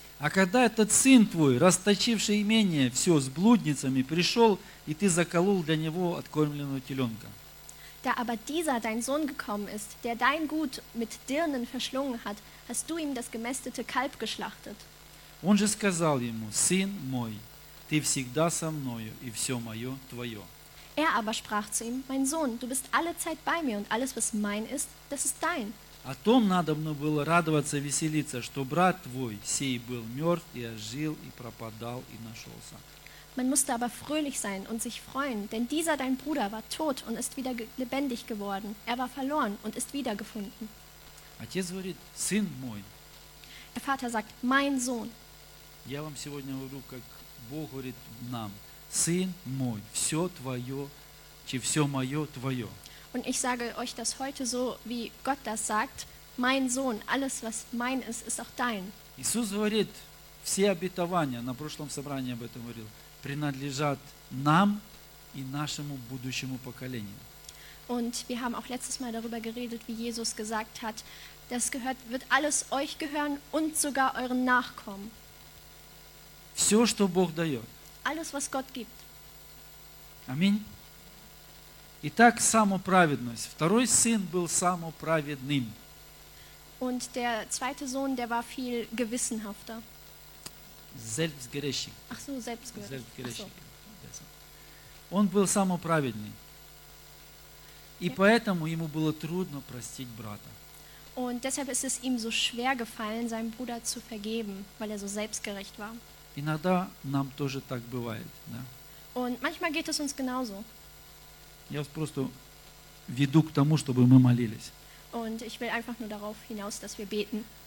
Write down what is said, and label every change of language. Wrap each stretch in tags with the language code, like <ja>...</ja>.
<ru>А когда этот сын твой, расточивший имение, все с блудницами, пришел, и ты заколол для него откормленного теленка?</ru> <de>Da aber dieser, dein Sohn, gekommen ist, der dein Gut mit Dirnen verschlungen hat, hast du ihm das gemästete Kalb geschlachtet.</de> <ru>Он же сказал ему, сын мой, ты всегда со мною, и все мое твое.</ru> <de>Er aber sprach zu ihm, mein Sohn, du bist alle Zeit bei mir, und alles, was mein ist, das ist dein.</de> <ru>О том надо было радоваться и веселиться, что брат твой сей был мертв и ожил и пропадал и нашелся.</ru> <de>Man musste aber fröhlich sein und sich freuen, denn dieser dein Bruder war tot und ist wieder lebendig geworden. Er war verloren und ist wiedergefunden.</de> <ru>Отец говорит, сын мой.</ru> <de>Der Vater sagt, mein Sohn.</de> <ru>Я вам сегодня говорю, как Бог говорит нам, Сын мой, все твое, чи все мое твое.</ru> <de>Und ich sage euch das heute so, wie Gott das sagt, mein Sohn, alles was mein ist, ist auch dein.</de> <ru>Иисус говорит, все обетования, на прошлом собрании об этом говорил, принадлежат нам и нашему будущему поколению.</ru> <de>Und wir haben auch letztes Mal darüber geredet, wie Jesus gesagt hat, das gehört, wird alles euch gehören und sogar euren Nachkommen.</de> <ru>Все, что Бог дает.</ru> <de>Alles, was Gott gibt.</de> <ru>Аминь. Итак, самоправедность. Второй сын был самоправедным.</ru> <de>Und der zweite Sohn, der war viel gewissenhafter. Selbstgerecht. Ach so, selbstgerecht.</de> <ru>Он был самоправедный. И поэтому ему было трудно простить брата.</ru> <de>Und deshalb ist es ihm so schwer gefallen, seinem Bruder zu vergeben, weil er so selbstgerecht war.</de> <ru>Иногда нам тоже так бывает, да?</ru> <de>Und manchmal geht es uns genauso.</de> <ru>Я просто веду к тому, чтобы мы молились.</ru> <de>Und ich will einfach nur darauf hinaus, dass wir beten.</de>